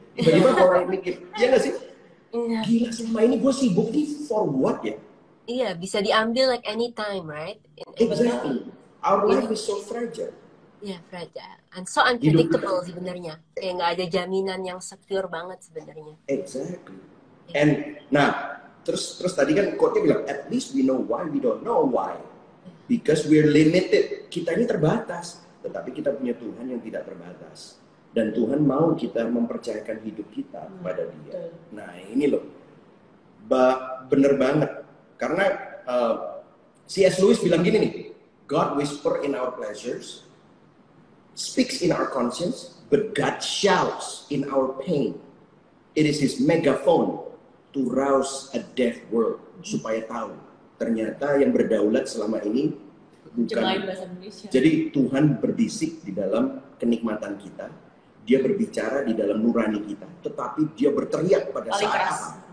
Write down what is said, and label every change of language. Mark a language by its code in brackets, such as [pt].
[id] Tiba-tiba orang mikir, iya gak sih? Gila, selama ini gue sibuk nih [en] for what [id] ya? Iya, bisa diambil [en] like anytime, right? Exactly. Our life is so fragile. Yeah, fragile. And so unpredictable sebenarnya. [id] Kayak gak ada jaminan yang secure banget sebenarnya. [en] Exactly. Yeah. [id] And, nah, terus tadi kan quote-nya bilang, [en] at least we know why we don't know why. Because we're limited. [id] Kita ini terbatas. Tetapi kita punya Tuhan yang tidak terbatas. Dan Tuhan mau kita mempercayakan hidup kita kepada Dia. Betul. Nah, ini loh. Bener banget. Karena C.S. [en] Lewis [id] bilang gini nih, [en] God whisper in our pleasures, speaks in our conscience, but God shouts in our pain. It is His megaphone to rouse a deaf world. [id] Supaya tahu, ternyata yang berdaulat selama ini bukan. Jadi Tuhan berbisik di dalam kenikmatan kita, Dia berbicara di dalam nurani kita, tetapi Dia berteriak pada saat apa?